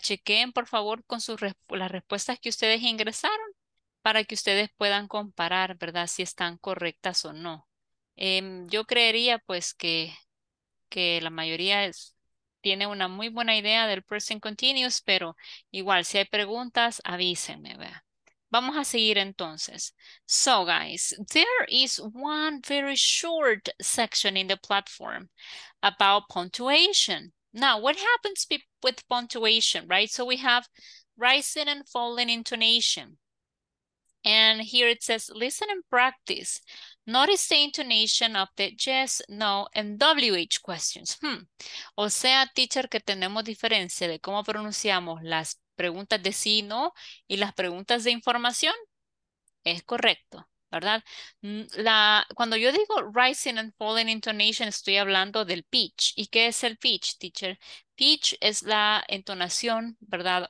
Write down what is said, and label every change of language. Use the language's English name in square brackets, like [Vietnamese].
[Spanish] Chequen, por favor, con las respuestas que ustedes ingresaron para que ustedes puedan comparar, ¿verdad? Si están correctas o no. Yo creería, pues, que la mayoría tiene una muy buena idea del present continuous, pero igual, si hay preguntas, avísenme, ¿verdad? Vamos a seguir entonces. [English] So guys, there is one very short section in the platform about punctuation. Now, what happens with punctuation, right? So we have rising and falling intonation. And here it says, listen and practice. Notice the intonation of the yes, no, and WH questions. Hmm. [Spanish] O sea, teacher, que tenemos diferencia de cómo pronunciamos las preguntas de sí, no, y las preguntas de información, es correcto, ¿verdad? Cuando yo digo [English] rising and falling intonation, [Spanish] estoy hablando del pitch. ¿Y qué es el pitch, teacher? Pitch es la entonación, ¿verdad?